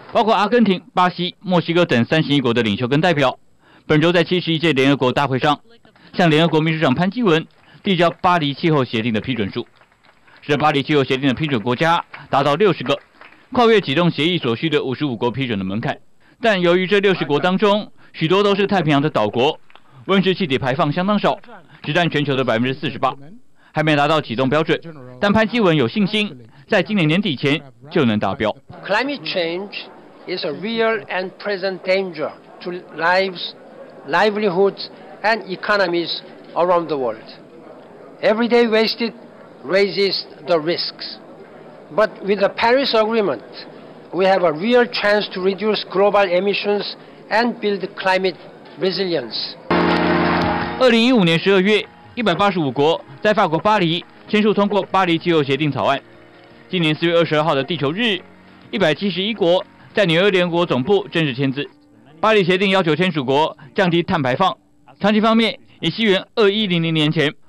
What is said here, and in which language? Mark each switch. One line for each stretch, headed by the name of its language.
Chinese: 包括阿根廷、巴西、墨西哥等31国的领袖跟代表，本周在71届联合国大会上向联合国秘书长潘基文递交巴黎气候协定的批准书，使巴黎气候协定的批准国家达到60个，跨越启动协议所需的55国批准的门槛。但由于这60国当中许多都是太平洋的岛国，温室气体排放相当少，只占全球的48%，还没达到启动标准。但潘基文有信心，在今年年底前就能达标。
English: Climate change is a real and present danger to lives, livelihoods, and economies around the world. Every day wasted. Raises the risks. But with the Paris Agreement, we have a real chance to reduce global emissions and build climate resilience.
Chinese: 2015年12月，185国在法国巴黎签署通过巴黎气候协定草案。今年4月22号的地球日，171国在纽约联合国总部正式签字。巴黎协定要求签署国降低碳排放，长期方面以西元2100年前。